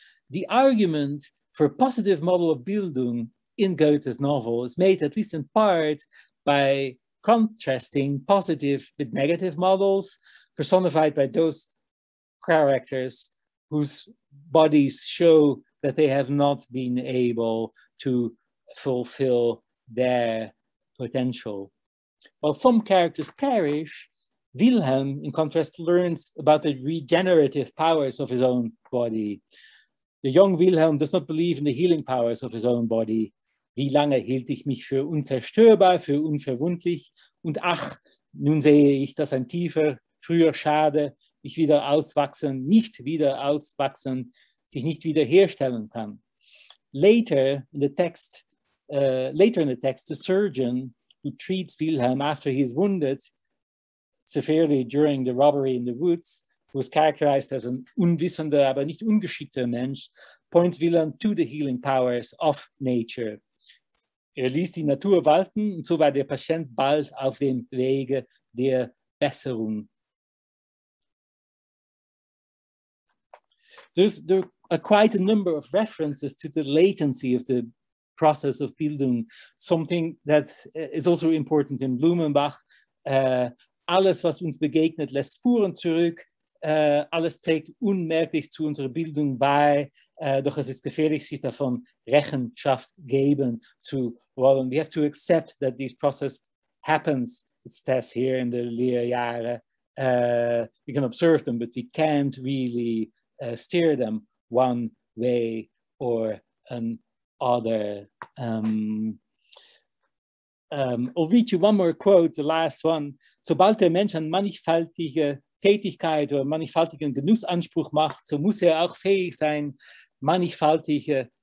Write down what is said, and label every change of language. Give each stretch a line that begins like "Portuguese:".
English: The argument for a positive model of Bildung in Goethe's novel is made at least in part by contrasting positive with negative models personified by those characters whose bodies show that they have not been able to fulfill their potential. While some characters perish, Wilhelm, in contrast, learns about the regenerative powers of his own body. The young Wilhelm does not believe in the healing powers of his own body.
German: Wie lange hielt ich mich für unzerstörbar, für unverwundlich? Und ach, nun sehe ich, dass ein tiefer, früher Schade mich wieder auswachsen, nicht wieder auswachsen, sich nicht wieder herstellen kann.
English: Later in the text, the surgeon who treats Wilhelm after he is wounded severely during the robbery in the woods, who is characterized as an
German: unwissender, aber nicht ungeschickter Mensch,
English: points Wilhelm to the healing powers of nature.
German: Er ließ die Natur walten, und so war der Patient bald auf dem Wege der Besserung.
English: There are quite a number of references to the latency of the process of Bildung, something that is also important in Blumenbach.
German: Alles, was uns begegnet, lässt Spuren zurück. Alles trägt unmerklich zu unserer Bildung bei. Doch es ist gefährlich, sich davon Rechenschaft geben zu wollen.
English: We have to accept that this process happens, it says here in the Lehrjahre. We can observe them, but we can't really steer them one way or another. I'll read you one more quote, the last one.
German: Sobald der Mensch an mannigfaltige Tätigkeit oder mannigfaltigen Genussanspruch macht, so muss auch fähig sein, mannigfaltige